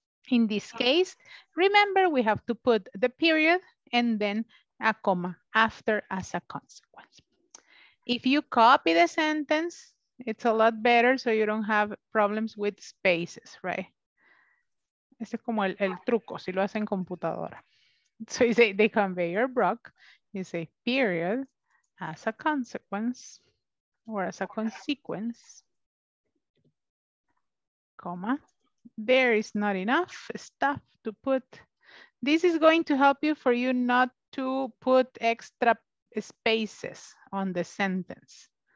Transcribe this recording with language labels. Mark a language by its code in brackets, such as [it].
[en] In this case, remember we have to put the period and then a comma after as a consequence. If you copy the sentence, it's a lot better so you don't have problems with spaces, right? [es] Este es como el truco, si lo hacen en computadora. [en] So you say the conveyor broke, you say period, as a consequence, or as a consequence, comma, there is not enough stuff to put. This is going to help you for you not to put extra spaces on the sentence.